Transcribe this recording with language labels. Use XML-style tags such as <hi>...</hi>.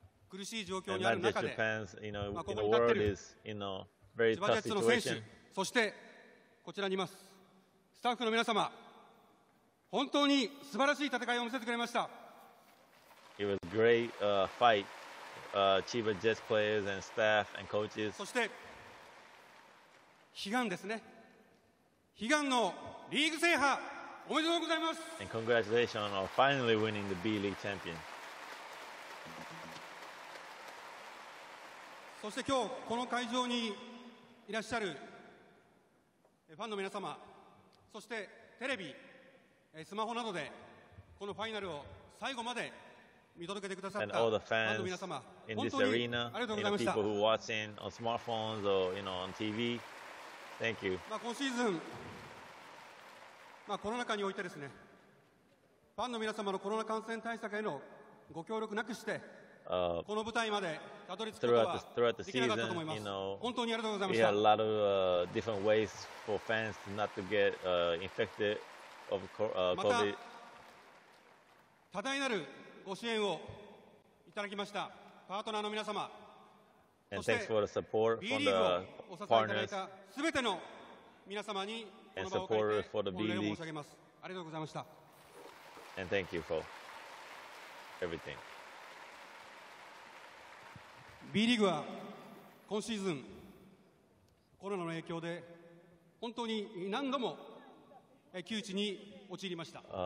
<en>And not just Japan's, you know, in the world is, you know, very tough situation. It was a great fight, Chiba Jets players and staff and coaches.</en> <ja>そして悲願ですね。悲願のリーグ制覇おめでとうございます。</ja> <en>And congratulations on finally winning the B League champion.</en> <ja>そして今日この会場にいらっしゃるファンの皆様、そしてテレビ。スマホなどでこのファイナルを最後まで見届けてくださったファンの皆様、本当にありがとうございました。</ja> <en>And people who are watching on smartphones or you know on TV, thank you.</en> <ja>まあ今シーズン、まあコロナ禍においてですね、ファンの皆様のコロナ感染対策へのご協力なくして、この舞台までたどり着くことはできなかったと思います。</ja> <en>You know,</en> <ja>本当にありがとうございました。</ja> <en>We had a lot of different ways for fans not to get infected. Of COVID.</en> <ja>また多大なるご支援をいただきましたパートナーの皆様、</ja> <en>and thanks for the support from the partners.</en> <ja>すべての皆様にこの場を借りて御礼を申し上げます。ありがとうございました。</ja> <en>And thank you for everything.</en> <ja>B リーグは今シーズンコロナの影響で本当に何度も窮地に陥りました。</ja>